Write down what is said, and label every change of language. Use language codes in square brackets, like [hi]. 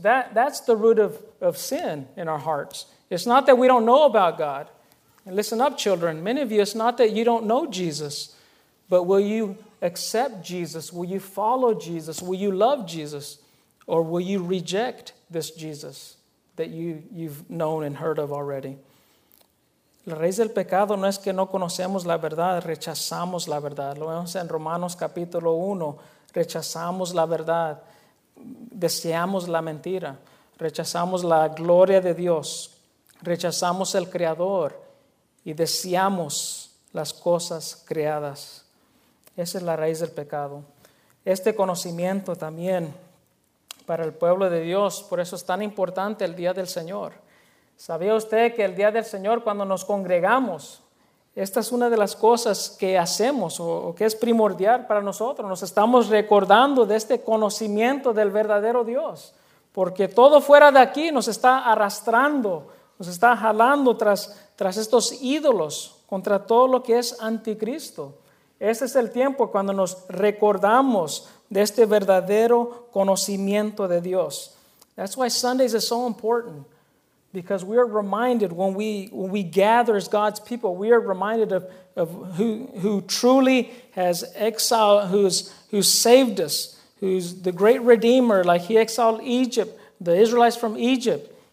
[en] That's the root of sin in our hearts. It's not that we don't know about God. And listen up, children. Many of you, it's not that you don't know Jesus. But will you accept Jesus? Will you follow Jesus? Will you love Jesus? Or will you reject this Jesus that you've known and heard of already? [es] La raíz del pecado no es que no conocemos la verdad, rechazamos la verdad. Lo vemos en Romanos capítulo 1. Rechazamos la verdad. Deseamos la mentira. Rechazamos la gloria de Dios. Rechazamos el Creador. Y deseamos las cosas creadas. Esa es la raíz del pecado. Este conocimiento también para el pueblo de Dios, por eso es tan importante el día del Señor. ¿Sabía usted que el día del Señor, cuando nos congregamos, esta es una de las cosas que hacemos o que es primordial para nosotros? Nos estamos recordando de este conocimiento del verdadero Dios, porque todo fuera de aquí nos está arrastrando, nos está jalando tras estos ídolos, contra todo lo que es anticristo. Este es el tiempo cuando nos recordamos de este verdadero conocimiento de Dios. [en] That's why Sundays are so important, because we are reminded when we gather as God's people, we are reminded of who truly has exiled, who's saved us, who's the great Redeemer, like He exiled Egypt, the Israelites from Egypt.